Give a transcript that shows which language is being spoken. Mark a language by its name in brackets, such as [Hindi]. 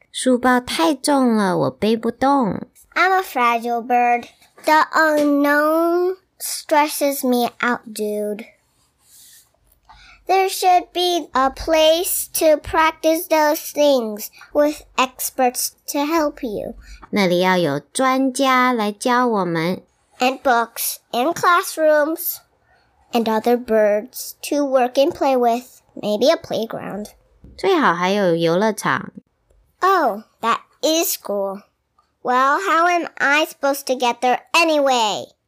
[Chinese] 书包太重了，我背不动。 [English] I'm a fragile bird. The unknown stresses me out, dude. There should be a place to practice those things with experts to help you. [Chinese] 那里要有专家来教我们。 [English] And books and classrooms. And other birds to work and play with, maybe a playground. [Chinese] 最好还有游乐场。 [English] Oh, that is cool. Well, how am I supposed to get there anyway?